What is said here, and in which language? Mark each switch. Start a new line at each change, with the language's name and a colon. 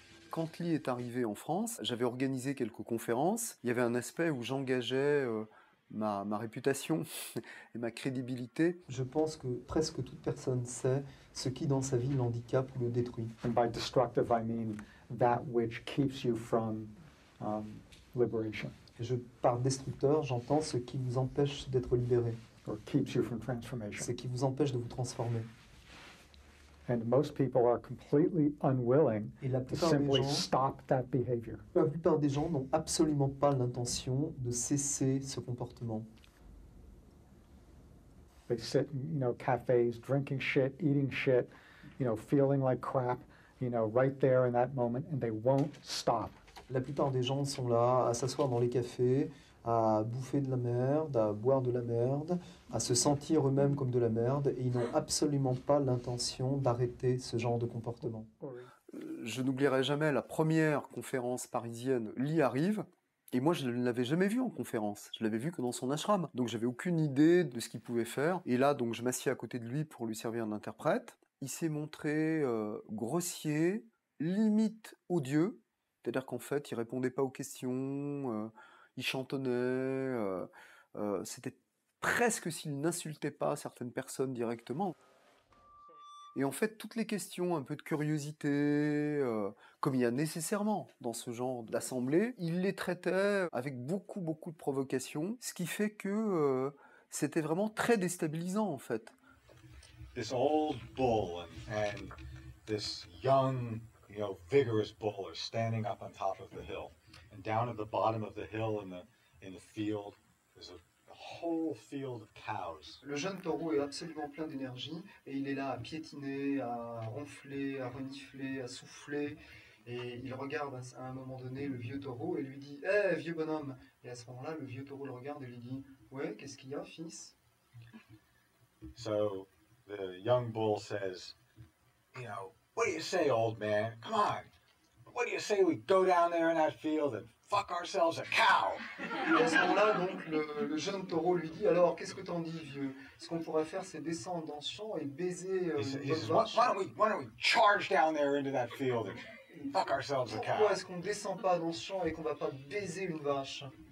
French: Quand Lee est arrivé en France, j'avais organisé quelques conférences. Il y avait un aspect où j'engageais ma réputation et ma crédibilité. Je pense que presque toute personne sait ce qui dans sa vie l'handicape ou le détruit.
English: And by destructive, I mean that which keeps you from liberation.
French: Et je par destructeur, j'entends ce qui vous empêche d'être libéré.
English: Or keeps you from transformation.
French: Ce qui vous empêche de vous transformer.
English: And most people are completely unwilling to simply stop that behavior.
French: La plupart des gens n'ont absolument pas l'intention de cesser ce comportement.
English: They sit in, you know, cafes, drinking shit, eating shit, you know, feeling like crap, you know, right there in that moment, and they won't stop.
French: La plupart des gens sont là à s'asseoir dans les cafés, à bouffer de la merde, à boire de la merde, à se sentir eux-mêmes comme de la merde, et ils n'ont absolument pas l'intention d'arrêter ce genre de comportement. Je n'oublierai jamais la première conférence parisienne. Lee arrive, et moi je ne l'avais jamais vu en conférence. Je l'avais vu que dans son ashram. Donc j'avais aucune idée de ce qu'il pouvait faire. Et là, donc, je m'assieds à côté de lui pour lui servir d'interprète. Il s'est montré grossier, limite odieux. C'est-à-dire qu'en fait, il ne répondait pas aux questions. Il chantonnait, c'était presque s'il n'insultait pas certaines personnes directement. Et en fait, toutes les questions, un peu de curiosité, comme il y a nécessairement dans ce genre d'assemblée, il les traitait avec beaucoup, beaucoup de provocation, ce qui fait que c'était vraiment très déstabilisant, en fait.
English: This old bull and this young, you know, vigorous bull are standing up on top of the hill. And down at the bottom of the hill in the field, there's a whole field of cows.
French: Le jeune taureau est absolument plein d'énergie et il est là à piétiner, à ronfler, à renifler, à souffler. Et il regarde à un moment donné le vieux taureau et lui dit, hey, vieux bonhomme. Et à ce moment-là, le vieux taureau le regarde et lui dit, ouais, qu'est-ce qu'il y a, fils?
English: So the young bull says, you know, what do you say, old man? Come on. What do you say we go down there in that field and fuck ourselves a cow?
French: Et à ce moment-là, donc, le jeune taureau lui dit, alors, qu'est-ce que t'en dis, vieux? Ce qu'on pourrait faire, c'est descendre dans le champ et baiser une bonne vache.
English: Why don't we charge down there into that field and fuck ourselves a cow?
French: Pourquoi est-ce qu'on ne descend pas dans le champ et qu'on ne va pas baiser une vache?